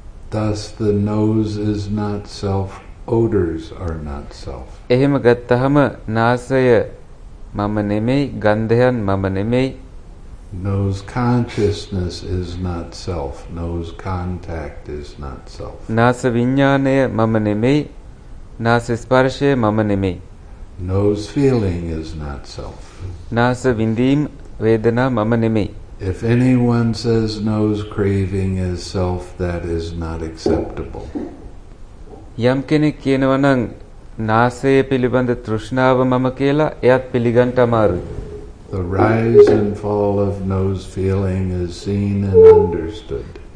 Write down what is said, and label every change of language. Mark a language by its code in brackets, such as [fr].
[en] Thus the nose is not self, odors are not self. [si] එහෙම ගත්තහම නාසය මම නෙමෙයි ගන්ධයන් මම නෙමෙයි. [en] Nose consciousness is not self, nose contact is not self. [si] නාස විඥානය මම නෙමෙයි නාස ස්පර්ශය මම නෙමෙයි. [en] Nose feeling is not self. [si] නාස විඳීම වේදනා මම නෙමෙයි. [en] If anyone says nose craving is self, that is not acceptable. [si] යම් කෙනෙක් කියනවනම් නාසය පිළිබඳ තෘෂ්ණාව මම කියලා එයත් පිළිගන්න අමාරුයි. [en] The rise and fall of nose feeling is seen and understood.